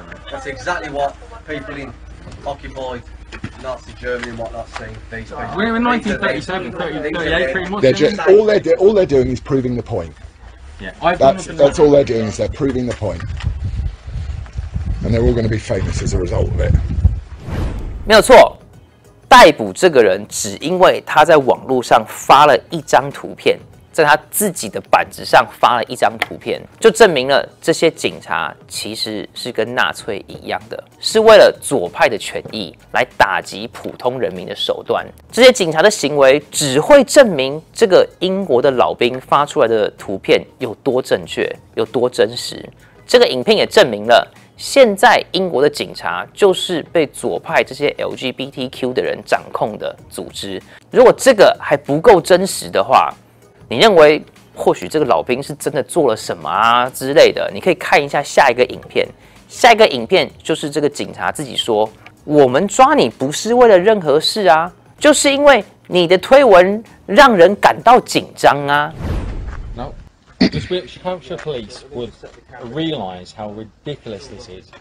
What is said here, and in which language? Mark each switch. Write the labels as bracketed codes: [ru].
[en] That's exactly what people in occupied Nazi Germany and whatnot say. We're in 1937, 38, pretty much. All they're doing is proving the point. Yeah, that's all they're doing, is they're proving the point. And they're all going to be famous as a result of it. [zh] 没有错。逮捕这个人只因为他在网络上发了一张图片，在他自己的板子上发了一张图片，就证明了这些警察其实是跟纳粹一样的，是为了左派的权益来打击普通人民的手段。这些警察的行为只会证明这个英国的老兵发出来的图片有多正确，有多真实。这个影片也证明了现在英国的警察就是被左派这些 LGBTQ 的人掌控的组织。如果这个还不够真实的话，你认为或许这个老兵是真的做了什么啊之类的，你可以看一下下一个影片。下一个影片就是这个警察自己说，我们抓你不是为了任何事啊，就是因为你的推文让人感到紧张啊。 [en] Does Wiltshire Police would realise how ridiculous this is?